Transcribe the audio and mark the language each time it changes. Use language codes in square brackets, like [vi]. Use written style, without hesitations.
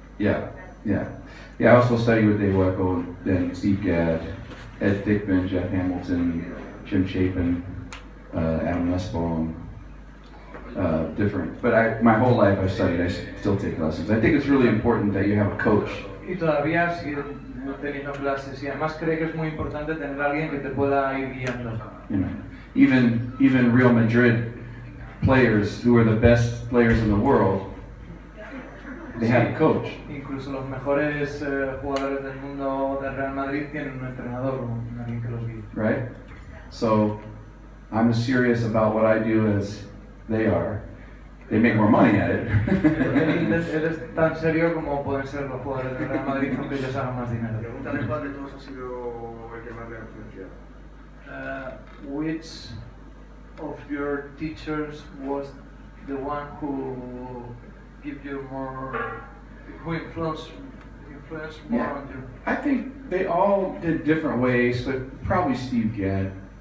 [en] Yeah, I also study with Dave Weka, then Steve Gadd, Ed Thickman, Jeff Hamilton, Jim Chapin, Adam Nussbaum. Different, but my whole life I've studied. I still take lessons. I think it's really important that you have a coach. [es] Y todavía sigo teniendo clases. Y además creo que es muy importante tener alguien que te pueda ir guiando. [en] You know, even Real Madrid players who are the best players in the world, they have a coach. [es] Incluso los mejores jugadores del mundo de Real Madrid tienen un entrenador, alguien que los guíe. [en] Right. So, I'm as serious about what I do as they are. They make more money at it. [es] Eres tan serio como pueden ser los jugadores de Real Madrid, aunque ellos hagan más dinero. Pregúntale cuál de todos ha sido el que más le ha influenciado. [en] Which of your teachers was the one who give you more, who influenced more on you? I think they all did different ways, but probably Steve Gadd.